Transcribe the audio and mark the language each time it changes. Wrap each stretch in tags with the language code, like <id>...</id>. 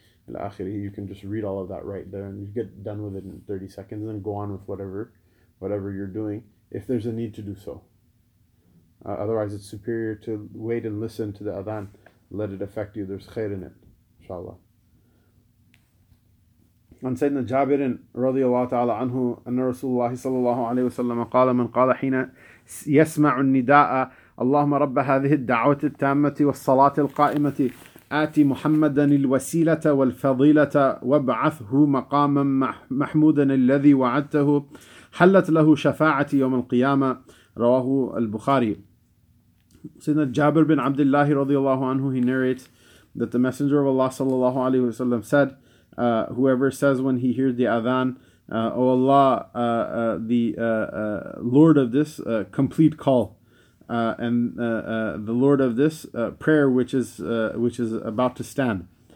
<ar>Ila akhirih,</ar> <en>you can just read all of that right there and you get done with it in 30 seconds and go on with whatever you're doing if there's a need to do so. Otherwise, it's superior to wait and listen to the adhan. Let it affect you. There's khair in it, inshallah.</en> <ar>عن سيدنا جابر رضي الله تعالى عنه أن رسول الله صلى الله عليه وسلم قال من قال حين يسمع النداء اللهم رب هذه الدعوة التامة والصلاة القائمة آتي محمدا الوسيلة والفضيلة وابعثه مقاما محمودا الذي وعدته حلت له شفاعة يوم القيامة رواه البخاري. سيدنا جابر بن عبد الله رضي الله عنه,</ar> <en>he narrates that the messenger of Allah</en> <ar>صلى الله عليه وسلم said,</ar> <en>whoever says when he hears the adhan, O Allah, Lord of this complete call, the Lord of this prayer which is about to stand,</en>